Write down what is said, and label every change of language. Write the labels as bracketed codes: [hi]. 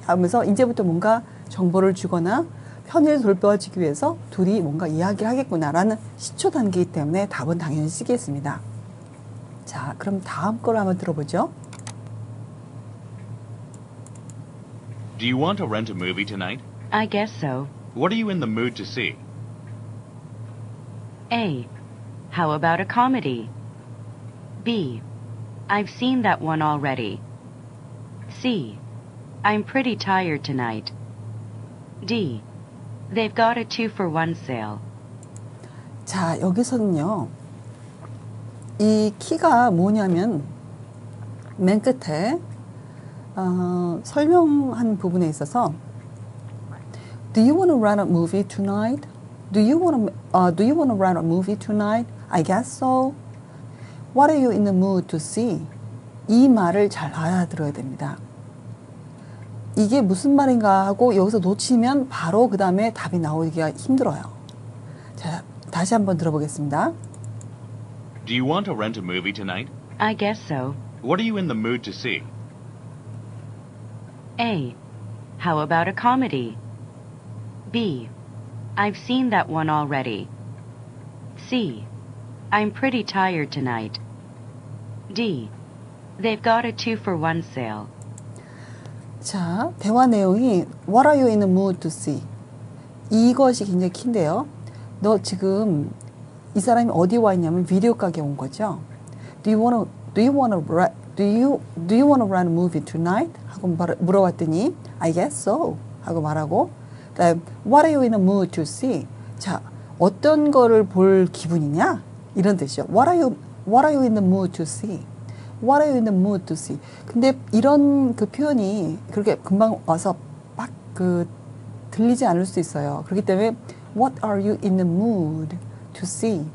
[ko] 하면서 이제부터 뭔가 정보를 주거나 편의를 돌봐주기 위해서 둘이 뭔가 이야기를 하겠구나라는 시초 단계이기 때문에 답은 당연히 쓰겠습니다. 자, 그럼 다음 걸 한번 들어보죠. [en] Do you want to rent a movie tonight? I guess so. What are you in the mood to see? A. How about a comedy? B. I've seen that one already. C. I'm pretty tired tonight. D. They've got a two-for-one sale. [ko] 자, 여기서는요. 이 키가 뭐냐면 맨 끝에 설명한 부분에 있어서 [en] Do you want to rent a movie tonight? Do you want to rent a movie tonight? I guess so. What are you in the mood to see? [ko] 이 말을 잘 알아들어야 됩니다. 이게 무슨 말인가 하고 여기서 놓치면 바로 그 다음에 답이 나오기가 힘들어요. 자, 다시 한번 들어보겠습니다. [en] Do you want to rent a movie tonight? I guess so. What are you in the mood to see? A. How about a comedy? B. I've seen that one already. C. I'm pretty tired tonight. D. They've got a two-for-one sale. [ko] 자, 대화 내용이 [en] What are you in the mood to see? [ko] 이것이 굉장히 키인데요. 너 지금 이 사람이 어디 와 있냐면 비디오 가게 온 거죠. [en] Do you want to rent a movie tonight? [ko] 하고 물어봤더니 [en] I guess so [ko] 하고 말하고 그다음, [en] What are you in the mood to see? [ko] 자, 어떤 거를 볼 기분이냐? 이런 뜻이요. [en] What are you in the mood to see? What are you in the mood to see? [ko] 근데 이런 그 표현이 그렇게 금방 와서 빡 그 들리지 않을 수 있어요. 그렇기 때문에 [en] What are you in the mood to see?